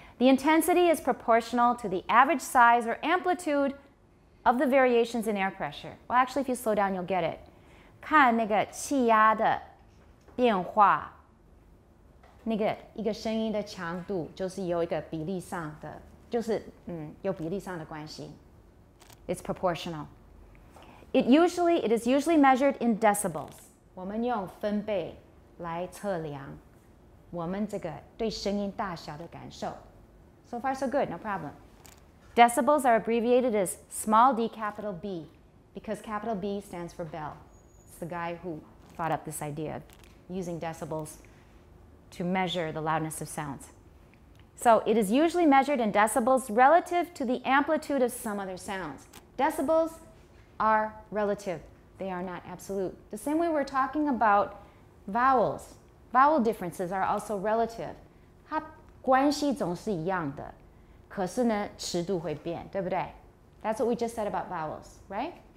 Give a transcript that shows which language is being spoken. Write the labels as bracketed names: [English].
[English] The intensity is proportional to the average size or amplitude of the variations in air pressure. Well, actually, if you slow down, you'll get it. [Chinese] 看那个气压的变化，那个一个声音的强度就是有一个比例上的，就是有比例上的关系。 [English] It's proportional. It is usually measured in decibels. [Chinese] 我们用分贝来测量我们这个对声音大小的感受。 [English] So far, so good, no problem. Decibels are abbreviated as small d capital B because capital B stands for bell. It's the guy who thought up this idea of using decibels to measure the loudness of sounds. So it is usually measured in decibels relative to the amplitude of some other sounds. Decibels are relative. They are not absolute. The same way we're talking about vowels. Vowel differences are also relative. [Chinese] 它关系总是一样的。可是呢，尺度会变，对不对？ [English] That's what we just said about vowels, right?